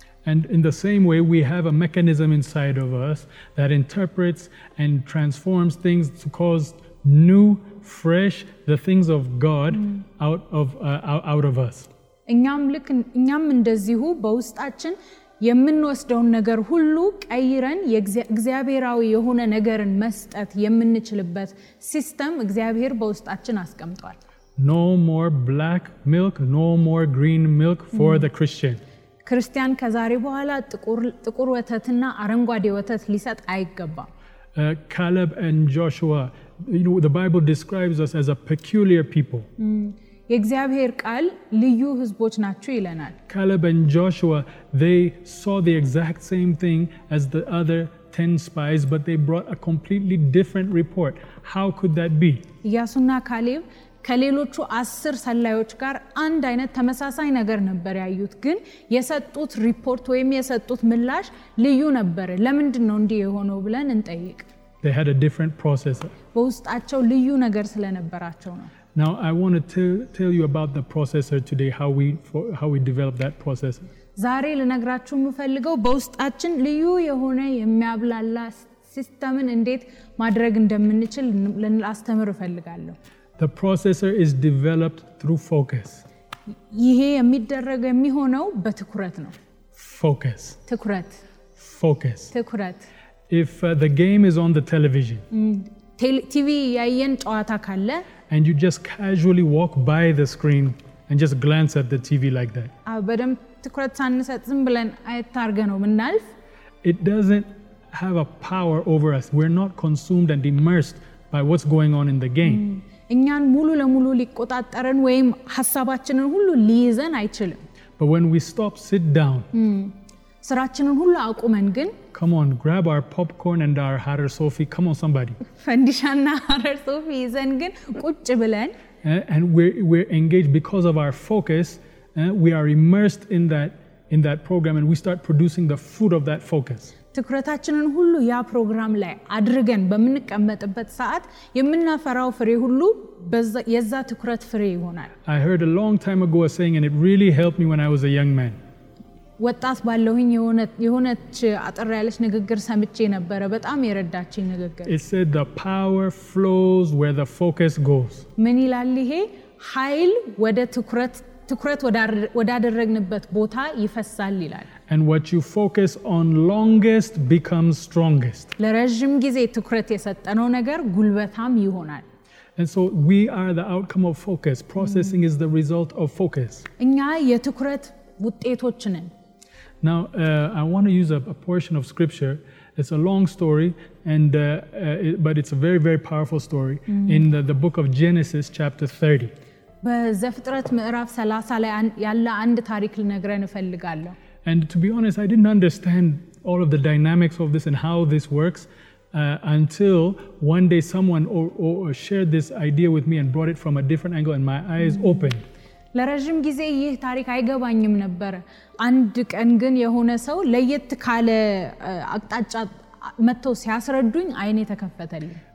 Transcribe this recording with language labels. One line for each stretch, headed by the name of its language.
English: And in the same way, we have a mechanism inside of us that interprets and transforms things to cause new, fresh, the things of God out of us.
Amharic: እኛም እንደዚሁ በውስጣችን የምንወስደውን ነገር ሁሉ ቀይረን እግዚአብሔራዊ የሆነ ነገርን መስጠት የምንችልበት ሲስተም እግዚአብሔር በውስጣችን አስቀምጧል.
English: No more black milk, no more green milk for the Christian.
Amharic: ክርስቲያን ከዛሬ በኋላ ጥቁር ወተትና አረንጓዴ ወተት ሊሰጥ አይገባም.
English: Caleb and Joshua, you know, the Bible describes us as a peculiar people.
Amharic: የእግዚአብሔር ቃል ልዩ ህዝቦች ናቸው ይለናል.
English: Caleb and Joshua, they saw the exact same thing as the other 10 spies, but they brought a completely different report. How could that be?
Amharic: ያሱና ካሌብ ከሌሎቹ 10 ሰላዮች ጋር አንድ አይነት ተመሳሳይ ነገር ነበር ያዩት ግን የሰጡት ሪፖርት ወይም የሰጡት ምላሽ ልዩ ነበር. ለምንድን ነው እንዲህ የሆነው ብለን እንጠይቅ.
English: They had a different processor.
Amharic: በውስጣቸው ልዩ ነገር ስለነበራቸው ነው.
English: Now I want to tell you about the processor today, how we developed that processor.
Amharic: ዛሬ ለነግራችሁ የምፈልገው በውስጣችን ልዩ የሆነ የሚያብላላ ሲስተምን እንዴት ማድረግ እንደምንችል ለአስተምር እፈልጋለሁ.
English: The processor is developed through focus.
Amharic: ይሄ የሚደረገ የሚሆነው በትኩረት ነው.
English: Focus.
Amharic: ትኩረት.
English: Focus.
Amharic: ትኩረት.
English: If the game is on the television.
Amharic: ቲቪ ያየን ጨዋታ ካለ
English: and you just casually walk by the screen and just glance at the TV like that.
Amharic: አበደም ትኩረት ሳንሰጥ ዝም ብለን አይታርገ ነው ምናልፍ.
English: It doesn't have a power over us. We're not consumed and immersed by what's going on in the game.
Amharic: እኛን ሙሉ ለሙሉ ሊቆጣጠረን ወይም ሐሳባችንን ሁሉ ሊይዘን አይችልም.
English: But when we stop, sit down.
Amharic: ስራችንን ሁሉ አቁመን ግን
English: come on, grab our popcorn and our Harar Sofi. Come on, somebody.
Amharic: ፈንዲሻና Harar Sofi ይዘን ግን ቁጭ ብለን
English: and we're engaged because of our focus, we are immersed in that program and we start producing the fruit of that focus.
Amharic: ትኩረታችንን ሁሉ ያ ፕሮግራም ላይ አድርገን በመንቀመጥበት ሰዓት የምናፈራው ፍሬ ሁሉ በዛ የዛ ትኩረት ፍሬ ይሆናል።
English: I heard a long time ago a saying and it really helped me when I was a young man.
Amharic: ወጣት ባለሁኝ የሆነች አጥር ያለች ንግግር ሰምቼ ነበር በጣም የረዳችኝ ንግግር።
English: It said the power flows where the focus goes.
Amharic: ምን ይላል ይሄ? ኃይል ወደ ትኩረት ወዳደረግንበት ቦታ ይፈሳል ይላል።
English: And what you focus on longest becomes strongest.
Amharic: ለረጅም ጊዜ ትኩረት የሰጠነው ነገር ጉልበታም ይሆናል።
English: And so we are the outcome of focus. Processing is the result of focus.
Amharic: እኛ የትኩረት ውጤቶች ነን።
English: Now I want to use a portion of scripture. It's a long story and but it's a very very powerful story in the book of Genesis chapter 30.
Amharic: በዘፍጥረት ምዕራፍ 30 ላይ ያለ አንድ ታሪክ ልነግረን እፈልጋለሁ።
English: And to be honest, I didn't understand all of the dynamics of this and how this works until one day someone or shared this idea with me and brought it from a different angle and my eyes opened.
Amharic: ለረጅም ጊዜ ይህ ታሪክ አይገባኝም ነበር። አንድ ቀን ግን የሆነ ሰው ለየት ካለ አቅጣጫ መጥቶ ሲያስረዱኝ አይኔ ተከፈተልኝ።